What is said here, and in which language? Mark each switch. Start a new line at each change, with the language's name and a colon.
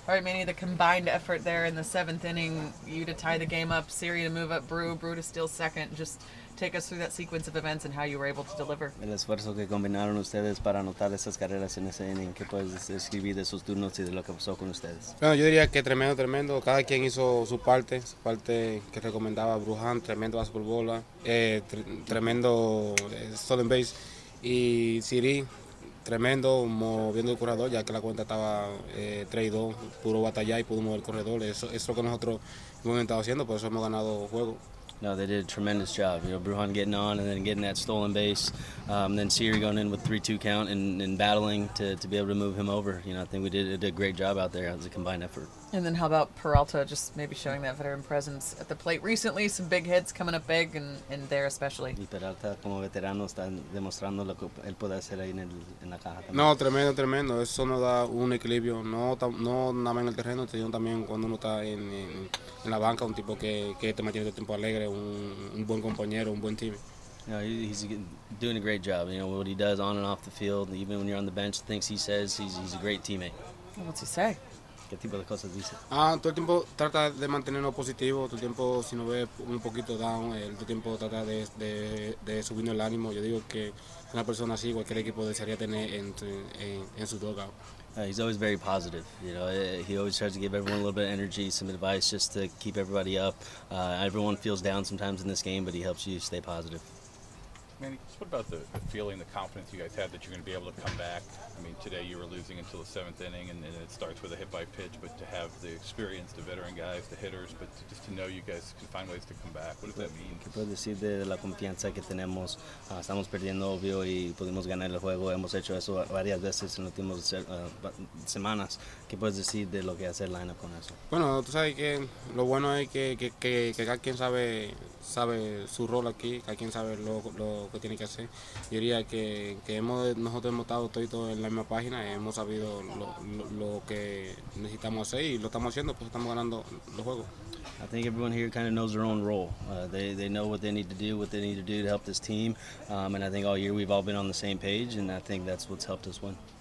English: All right, Manny, the combined effort there in the seventh inning, you to tie the game up, Siri to move up Brew, Brew to steal second. Just take us through that sequence of events and how you were able to deliver.
Spanish: El esfuerzo que combinaron ustedes para anotar esas carreras en ese inning, ¿qué puedes describir de esos turnos y de lo que pasó con ustedes? Bueno, yo diría que tremendo, tremendo. Cada quien hizo su parte que recomendaba Bruján, tremendo base por bola, tremendo
English: stolen base.
Spanish: Y Siri, tremendo, moviendo el corredor, ya que la cuenta estaba 3-2, puro batallar y pudo mover el corredor. Eso es lo que nosotros hemos estado haciendo, por eso hemos ganado el juego.
English: No, they did a tremendous job. You know, Bruján getting on and then getting that stolen base. Then Siri going in with 3-2 count and battling to be able to move him over. You know, I think we did a great job out there as a combined effort. And then how about Peralta just maybe showing that veteran presence at the plate recently? Some big hits coming up big and there especially.
Spanish: Y Peralta como veterano está demostrando lo que él puede hacer ahí en la caja. No, tremendo, tremendo. Eso nos da un equilibrio. No nada más en el terreno, sino también cuando uno está en la banca, un tipo que te mantiene el tiempo alegre. Un buen compañero, un buen team.
English: You know, he's doing a great job. You know what he does on and off the field, even when you're on the bench, things he says, he's a great teammate. What's he say?
Spanish: ¿Qué tipo de cosas dice? Todo el tiempo trata de mantenernos positivo, todo el tiempo si nos ve un poquito down, todo el tiempo trata de subirnos el ánimo. Yo digo que una persona así, cualquier equipo desearía tener en su dugout.
English: He's always very positive, you know. He always tries to give everyone a little bit of energy, some advice just to keep everybody up. Everyone feels down sometimes in this game, but he helps you stay positive. Manny, just what about the feeling, the confidence you guys have that you're going to be able to come back? I mean, today you were losing until the seventh inning, and it starts with a hit-by-pitch, but to have the experience, the veteran guys, the hitters, but just to know you guys can find ways to come back, what does that mean?
Spanish: ¿Qué puedo decir de la confianza que tenemos? Estamos perdiendo, obvio, y pudimos ganar el juego. Hemos hecho eso varias veces en las últimas semanas. ¿Qué puedes decir de lo que hace el lineup con eso? Bueno, tú sabes que lo bueno es que cada quien sabe su rol aquí, cada quien sabe lo que tiene que hacer. Yo diría que nosotros hemos estado todos en la misma página, hemos sabido lo que necesitamos hacer y lo estamos haciendo, pues estamos ganando los juegos.
English: I think everyone here kind of knows their own role. They know what they need to do to help this team. And I think all year we've all been on the same page, and I think that's what's helped us win.